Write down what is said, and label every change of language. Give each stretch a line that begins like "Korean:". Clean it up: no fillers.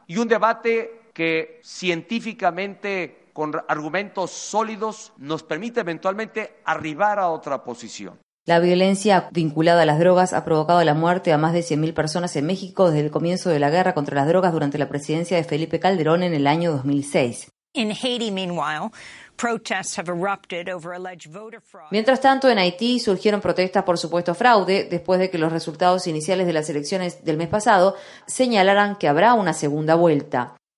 Spanish: Y un debate que científicamente, con argumentos sólidos, nos permite eventualmente arribar a otra posición. La violencia vinculada a las drogas ha provocado la muerte a más de 100.000 personas en México desde el comienzo de la guerra contra las drogas durante la presidencia de Felipe Calderón en el año 2006. En Haití,
English: meanwhile, protests have erupted over alleged voter fraud.
Spanish: Mientras tanto, en Haití surgieron protestas por supuesto fraude después de que los resultados iniciales de las elecciones del mes pasado señalaran que habrá una segunda vuelta.